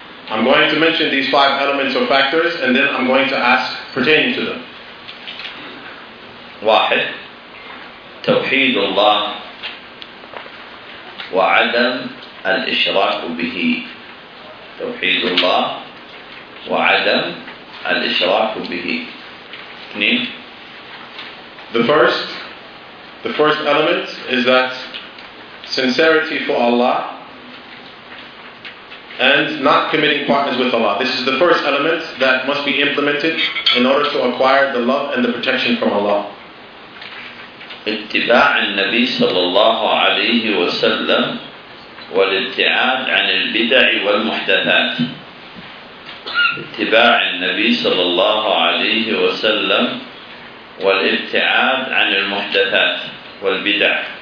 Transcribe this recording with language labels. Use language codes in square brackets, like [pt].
[en] I'm going to mention these five elements or factors and then I'm going to ask pertaining to them. [ar] واحد, توحيد الله وعدم الإشراك به. توحيد الله وعدم الإشراك به. اثنين, [en] The first element is that sincerity for Allah and not committing partners with Allah. This is the first element that must be implemented in order to acquire the love and the protection from Allah. [ar] اتباع النبي صلى الله عليه وسلم والابتعاد عن البدع والمحدثات. اتباع النبي صلى الله عليه وسلم والابتعاد عن المحدثات والبدع.